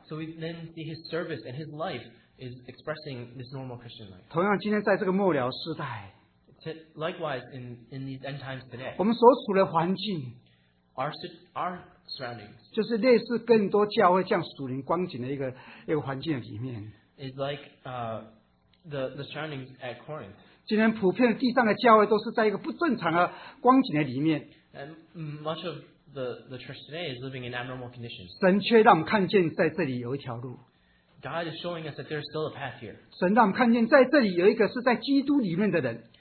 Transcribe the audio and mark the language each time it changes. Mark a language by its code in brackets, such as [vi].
[en] so we then see his service and his life is expressing this normal Christian life. [zh] 同样今天在这个末了时代, [en] Likewise, in these end times today, [zh] 我们所处的环境, [en] our surroundings, [zh] 就是类似更多教会这样属灵光景的一个环境里面, [en] is like the surroundings at Corinth. [zh] 今天普遍地上的教会都是在一个不正常的光景的里面, [en] and much of the church today is living in abnormal conditions. [zh] 神却让我们看见在这里有一条路, [en] God is showing us that there's still a path here. [zh] 神让我们看见在这里有一个是在基督里面的人,